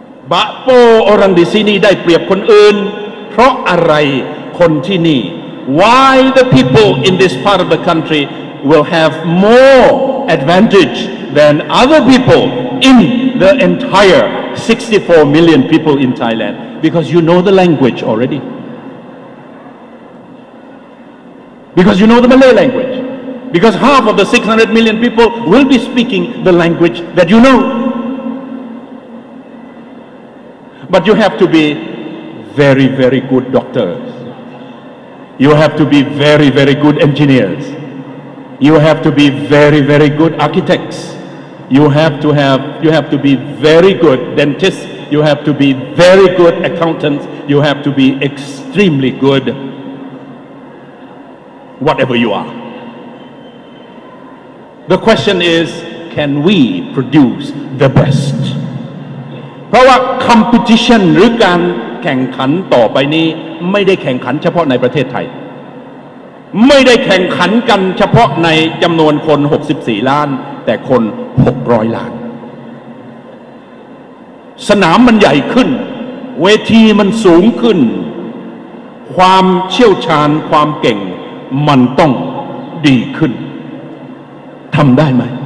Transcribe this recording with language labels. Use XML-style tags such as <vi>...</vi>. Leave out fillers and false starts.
<th>บะโปออรังดิซินีได้เปรียบคนอื่นเพราะอะไรคนที่นี่</th> <en>Why the people in this part of the country will have more advantage than other people in the entire 64 million people in Thailand because you know the language alreadyBecause you know the Malay language. Because half of the 600 million people will be speaking the language that you know. But you have to be very, very good doctors. You have to be very, very good engineers. You have to be very, very good architects. You have to be very good dentists. You have to be very good accountants. You have to be extremely goodWhatever you are. The question is, can we produce the best?</en> <th>เพราะว่า competition หรือการแข่งขันต่อไปนี้ไม่ได้แข่งขันเฉพาะในประเทศไทยไม่ได้แข่งขันกันเฉพาะในจำนวนคน64ล้านแต่คน600ล้านสนามมันใหญ่ขึ้นเวทีมันสูงขึ้นความเชี่ยวชาญความเก่งมันต้องดีขึ้นทำได้ไหม</th>